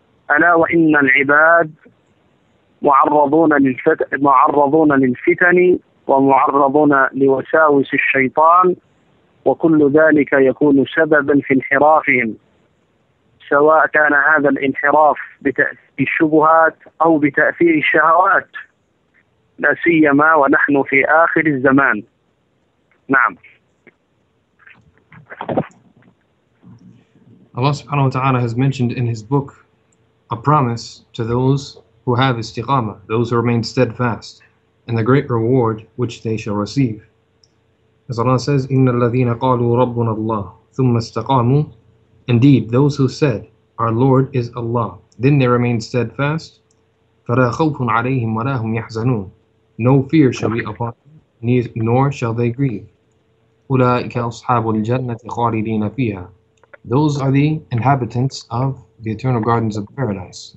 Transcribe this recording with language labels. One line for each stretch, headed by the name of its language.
Arabic: ألا وإن العباد معرضون للفتن ومعرضون لوساوس الشيطان، وكل ذلك يكون سببا في انحرافهم، سواء كان هذا الانحراف بتأثير الشبهات أو بتأثير الشهوات، لا سيما ونحن في آخر الزمان. نعم.
English: Allah subhanahu wa ta'ala has mentioned in his book a promise to those who have istiqama, those who remain steadfast, and the great reward which they shall receive. As Allah says,
Arabic: إِنَّ الَّذِينَ قَالُوا رَبُّنَ اللَّهُ ثُمَّ اسْتَقَامُوا.
English: Indeed, those who said, our Lord is Allah, then they remain steadfast.
Arabic: فَلَا خَوْفٌ عَلَيْهِمْ وَلَا هُمْ يَحْزَنُونَ.
English: No fear shall be upon them, nor shall they grieve.
Arabic: أُولَٰئِكَ أَصْحَابُ الْجَنَّةِ خَالِدِينَ فِيهَا.
English: Those are the inhabitants of the eternal gardens of paradise.